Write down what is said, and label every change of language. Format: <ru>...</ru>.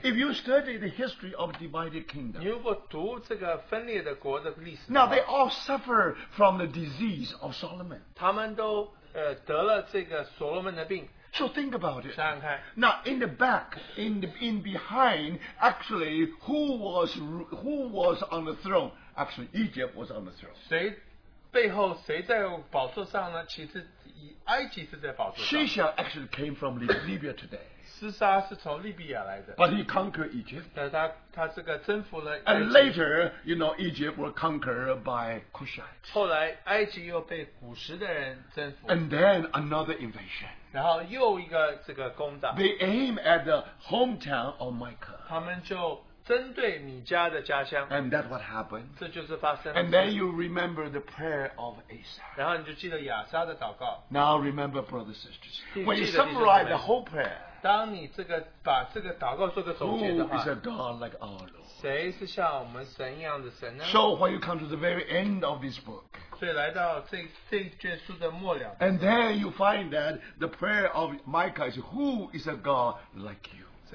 <en>If you study the history of divided kingdom,</en> <zh>你如果读这个分裂的国的历史的话,</zh> <en>now they all suffer from the disease of Solomon.</en> <zh>他们都 得了这个所罗门的病,</zh> <en>so think about it.</en> <zh>想想看,</zh> <en>now in the back, in behind, actually who was on the throne? Actually, Egypt was on the throne.</en> <zh>谁背后谁在宝座上呢?其实埃及是在宝座上。</zh> <en>Shishak actually came from Libya today.</en> <zh>厮杀是从利比亚来的,</zh> <en>but he conquered Egypt.</en> <zh>但他这个征服了,</zh> <en>and later, you know, Egypt were conquered by Cushites.</en> <zh>后来埃及又被古时的人征服,</zh> <en>and then another invasion.</en> <zh>然后又一个这个攻打,</zh> <en>they aim at the hometown of Micah.</en> <zh>他们就针对米迦的家乡,</zh> <en>and that's what happened.</en> <zh>这就是发生了,</zh> <en>and then you remember the prayer of Asa.</en> <zh>然后你就记得亚沙的祷告.</zh> <en>Now remember, brothers and sisters, when you summarize the whole prayer,</en> <zh>当你这个把这个祷告做个总结的话,</zh> <en>who is a God like our Lord?</en> <zh>谁是像我们神一样的神呢?</zh> <en>So when you come to the very end of this book,</en> <zh>所以来到这卷书的末了,</zh> <en>and then you find that the prayer of Micah is, who is a God like you?</en>